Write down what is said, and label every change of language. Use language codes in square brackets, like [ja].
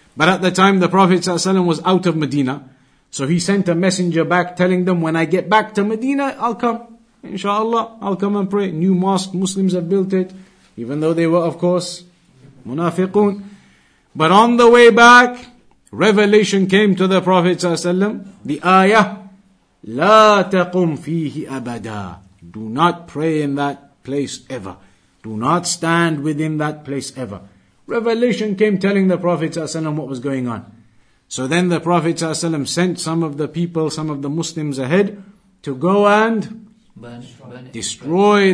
[en] But at the time, the Prophet ﷺ was out of Medina. So he sent a messenger back telling them, when I get back to Medina, I'll come. Inshallah, I'll come and pray. New mosque, Muslims have built it. Even though they were, of course, munafiqun. But on the way back, revelation came to the Prophet ﷺ. [ar] The ayah, لَا تَقُمْ فِيهِ أَبَدًا. [en] Do not pray in that place ever. Do not stand within that place ever. Revelation came telling the Prophet ﷺ what was going on. So then the Prophet ﷺ sent some of the people, some of the Muslims ahead, to go and destroy